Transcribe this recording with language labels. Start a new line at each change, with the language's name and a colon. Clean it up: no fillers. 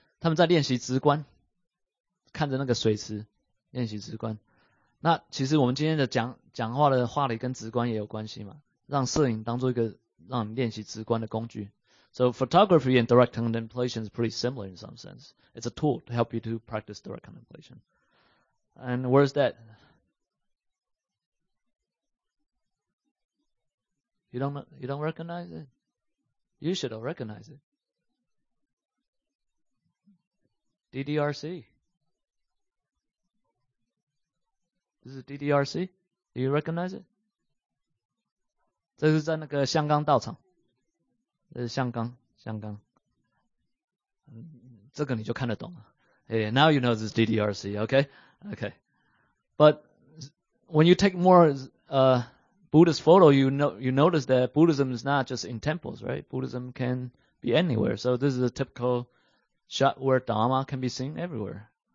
Chinese: 他们在练习直观，看着那个水池，练习直观。那其实我们今天的讲话的话理跟直观也有关系嘛， 让摄影当作一个让你练习直观的工具。
English: So photography and direct contemplation is pretty similar in some sense. It's a tool to help you to practice direct contemplation. And where's that? You don't recognize it? You should all recognize it. DDRC. This is DDRC. Do you recognize it?
Chinese: 这是在那个香港道场。这是香港。这个你就看得懂了。
English: Hey, now you know this is DDRC, okay? Okay. But when you take more Buddhist photo, you notice that Buddhism is not just in temples, right? Buddhism can be anywhere. So this is a typical shot where Dharma can be seen everywhere.